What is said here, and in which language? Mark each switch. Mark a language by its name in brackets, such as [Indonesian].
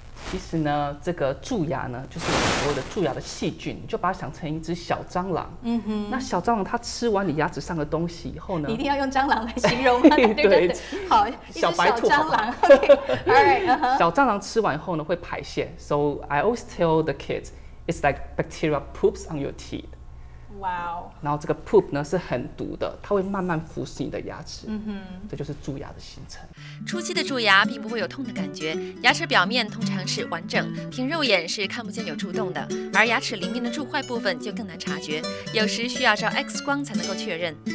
[Chinese] 其实呢，这个蛀牙呢，就是我们所谓的蛀牙的细菌，你就把它想成一只小蟑螂。嗯哼，那小蟑螂它吃完你牙齿上的东西以后呢？你一定要用蟑螂来形容吗？对，好，小白兔 [English] 蟑螂。OK， all right、uh-huh。 [Chinese] 小蟑螂吃完以后呢，会排泄。 [English] So I always tell the kids, it's like bacteria poops on your teeth。 Wow， [Chinese] 然后这个 poop 呢是很毒的，它会慢慢腐蚀你的牙齿。嗯哼，这就是蛀牙的形成。初期的蛀牙并不会有痛的感觉，牙齿表面通常是完整，凭肉眼是看不见有蛀洞的，而牙齿里面的蛀坏部分就更难察觉，有时需要照 X 光才能够确认。